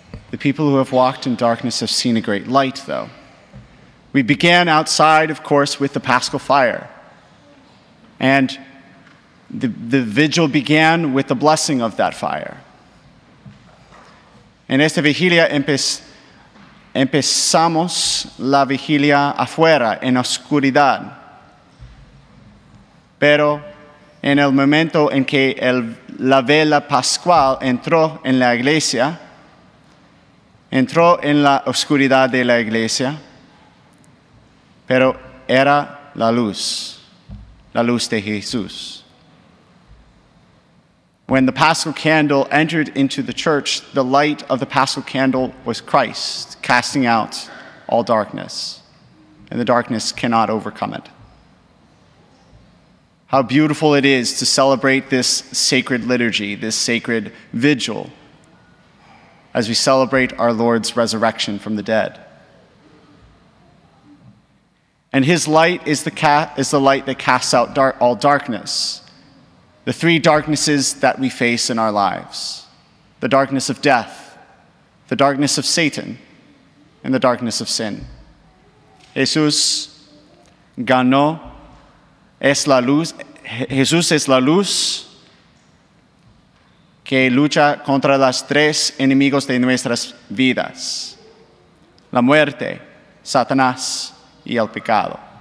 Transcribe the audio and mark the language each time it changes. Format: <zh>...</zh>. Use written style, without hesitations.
<en>The people who have walked in darkness have seen a great light, though. We began outside, of course, with the Paschal fire. And the vigil began with the blessing of that fire.</en> <es>En esta vigilia empezamos la vigilia afuera, en oscuridad. Pero en el momento en que la vela pascual entró en la iglesia, entró en la oscuridad de la iglesia, pero era la luz de Jesús.</es> <en>When the Paschal candle entered into the church, the light of the Paschal candle was Christ, casting out all darkness, and the darkness cannot overcome it. How beautiful it is to celebrate this sacred liturgy, this sacred vigil, as we celebrate our Lord's resurrection from the dead. And his light is the light that casts out all darkness, the three darknesses that we face in our lives, the darkness of death, the darkness of Satan, and the darkness of sin.</en> <es>Jesús ganó, es la luz. Jesús es la luz que lucha contra las tres enemigos de nuestras vidas, la muerte, Satanás y el pecado.</es>